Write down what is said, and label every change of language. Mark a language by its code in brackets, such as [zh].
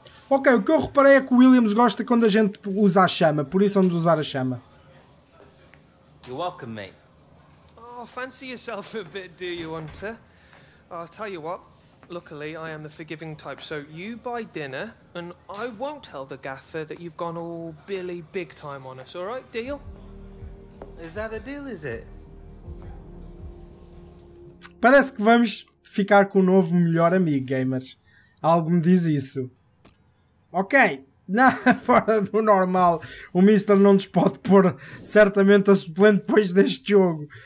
[pt] Ok, o que eu reparei é que o Williams gosta quando a gente usa a chama. Por isso vamos usar a chama. [en] You're welcome, mate. Oh, fancy yourself a bit, do you, Hunter? I'll tell you what. Luckily, I am the forgiving type, so you buy dinner, and I won't tell the gaffer that you've gone all Billy big time on us, all right? Deal? Is that a deal, is it? [pt] Parece que vamos ficar com o novo melhor amigo, gamers. Algo me diz isso. Ok, nada fora do normal. O Mister não nos pode pôr certamente a suplente depois deste jogo.